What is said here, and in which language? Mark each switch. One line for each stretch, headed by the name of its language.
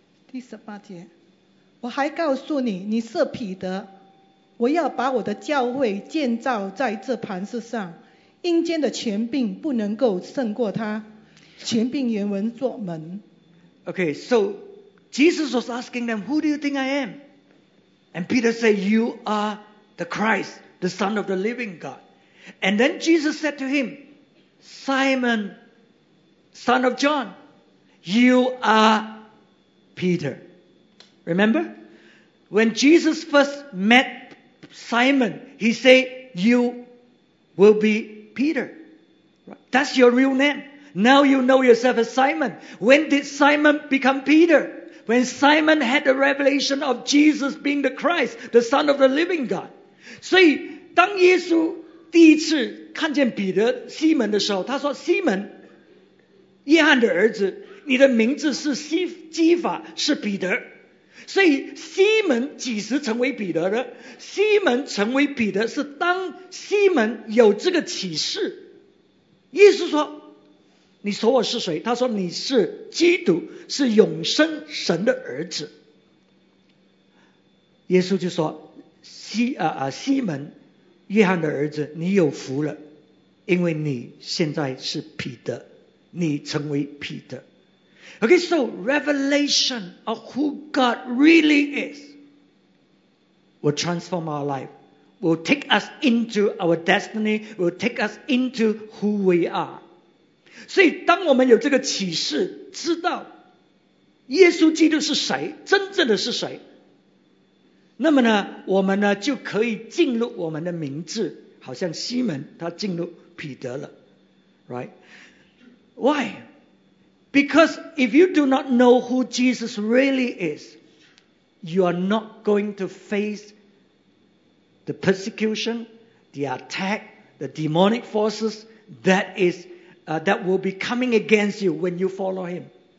Chinese: 第十八节，我还告诉你，你是彼得，我要把我的教会建造在这磐石上，阴间的权柄不能够胜过他。权柄原文作门。
English: Okay, so Jesus was asking them, "Who do you think I am?" And Peter said, "You are the Christ, the Son of the Living God." And then Jesus said to him, "Simon, son of John, you are." Peter. Remember? When Jesus first met Simon, he said, you will be Peter. That's your real name. Now you know yourself as Simon. When did Simon become Peter? When Simon had the revelation of Jesus being the Christ, the Son of the Living God.
Chinese: 所以当耶稣第一次看见彼得西门的时候，他说，西门，约翰的儿子，你的名字是西基法，是彼得。所以西门几时成为彼得的？西门成为彼得是当西门有这个启示，意思说你说我是谁，他说你是基督，是永生神的儿子。耶稣就说，西门，约翰的儿子，你有福了，因为你现在是彼得，你成为彼得。
English: Okay, so revelation of who God really is will transform our life, will take us into our destiny, will take us into who we are.
Chinese: 所以当我们有这个启示，知道耶稣基督是谁，真正的是谁，那么呢，我们呢就可以进入我们的名字，好像西门他进入彼得了， right?
English: Why? Because if you do not know who Jesus really is, you are not going to face the persecution, the attack, the demonic forces that will be coming against you when you follow him.